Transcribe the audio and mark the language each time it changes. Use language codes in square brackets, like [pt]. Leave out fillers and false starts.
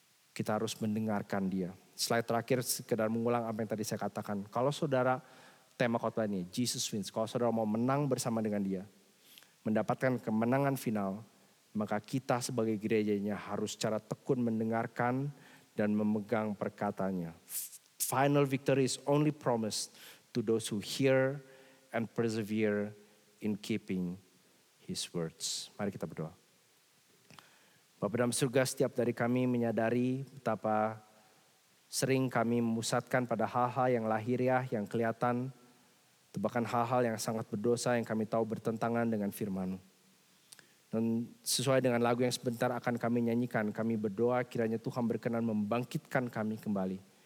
[id] Kita harus mendengarkan dia. Slide terakhir sekedar mengulang apa yang tadi saya katakan. Kalau saudara, tema khotbah ini, [en] Jesus wins. [id] Kalau saudara mau menang bersama dengan dia, mendapatkan kemenangan final, maka kita sebagai gerejanya harus secara tekun mendengarkan dan memegang perkataannya. [en] Final victory is only promised to those who hear and persevere in keeping His words. [id] Mari kita berdoa. Bapa dalam surga, setiap dari kami menyadari betapa sering kami memusatkan pada hal-hal yang lahiriah, yang kelihatan, bahkan hal-hal yang sangat berdosa yang kami tahu bertentangan dengan firman-Mu. Dan sesuai dengan lagu yang sebentar akan kami nyanyikan, kami berdoa kiranya Tuhan berkenan membangkitkan kami kembali.